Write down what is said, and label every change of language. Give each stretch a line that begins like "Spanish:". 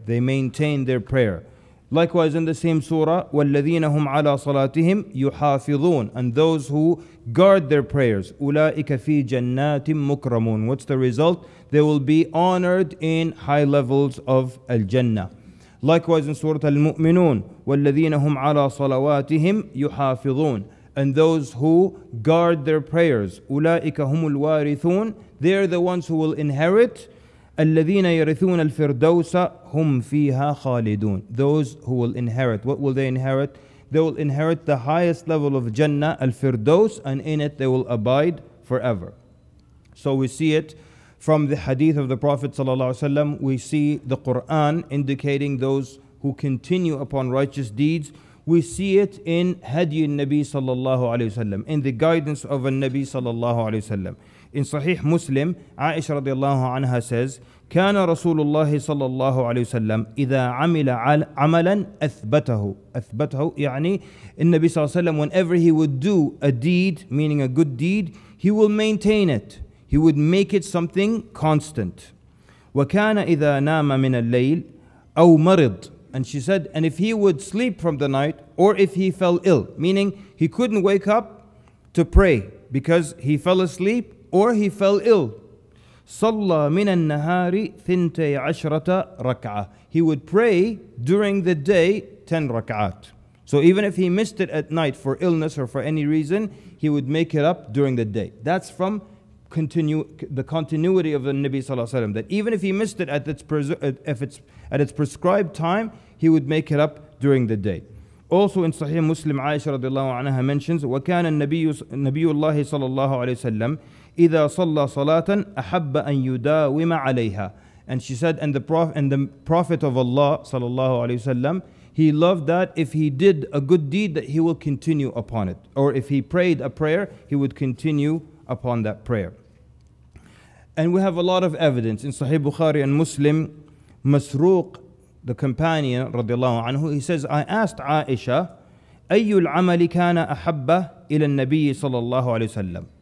English: They maintain their prayer. Likewise in the same surah,
Arabic: وَالَّذِينَ هُمْ عَلَى صَلَاتِهِمْ يُحَافِظُونَ.
English: And those who guard their prayers,
Arabic: أُولَٰئِكَ فِي جَنَّاتٍ مُكْرَمُونَ.
English: What's the result? They will be honored in high levels of al-jannah. Likewise in Surah
Arabic: Al-Mu'minun, وَالَّذِينَ هُمْ عَلَى صَلَوَاتِهِمْ يُحَافِظُونَ.
English: And those who guard their prayers,
Arabic: أُولَٰئِكَ هُمُ الْوَارِثُونَ.
English: They are the ones who will inherit.
Arabic: الَّذِينَ يَرِثُونَ الْفِرْدَوْسَ هُمْ فِيهَا خَالِدُونَ.
English: Those who will inherit. What will they inherit? They will inherit the highest level of Jannah, Al-Firdaus, and in it they will abide forever. So we see it from the hadith of the Prophet ﷺ. We see the Qur'an indicating those who continue upon righteous deeds. We see it in Hadi al-Nabi sallallahu alayhi wa sallam, in the guidance of al-Nabi sallallahu alayhi wa sallam. In Sahih Muslim, Aisha radiallahu anha says,
Arabic: كان رسول الله صلى الله عليه وسلم إذا عمل عملا أثبته. أثبته يعني النبي صلى الله عليه وسلم,
English: whenever he would do a deed, meaning a good deed, he will maintain it. He would make it something constant.
Arabic: وكان إذا نام من الليل أو مرض.
English: And she said, and if he would sleep from the night, or if he fell ill, meaning he couldn't wake up to pray because he fell asleep or he fell ill.
Arabic: صَلَّى مِنَ النَّهَارِ ثِنْتَي عَشْرَةَ رَكْعَةً.
English: He would pray during the day 10 rak'at. So even if he missed it at night for illness or for any reason, he would make it up during the day. That's from the continuity of the Nabi Sallallahu Alaihi Wasallam, that even if he missed it at its prescribed time, he would make it up during the day. Also in Sahih Muslim, Aisha radiallahu anha mentions,
Arabic: وَكَانَ النَّبِيُّ اللَّهِ صَلَى اللَّهُ عَلَيْهِ وَسَلَّمْ إِذَا صَلَّى صَلَاةً أَحَبَّ أَن يُدَاوِمَ عَلَيْهَا.
English: And she said, and the Prophet of Allah, sallallahu alayhi wa sallam, he loved that if he did a good deed, that he will continue upon it. Or if he prayed a prayer, he would continue upon that prayer. And we have a lot of evidence in Sahih Bukhari and Muslim. Masruq, the companion, radiallahu anhu, he says, I asked Aisha,
Arabic: أَيُّ الْعَمَلِ كَانَ أَحَبَّ إِلَى النَّبِيِّ
English: sallallahu alayhi wa sallam.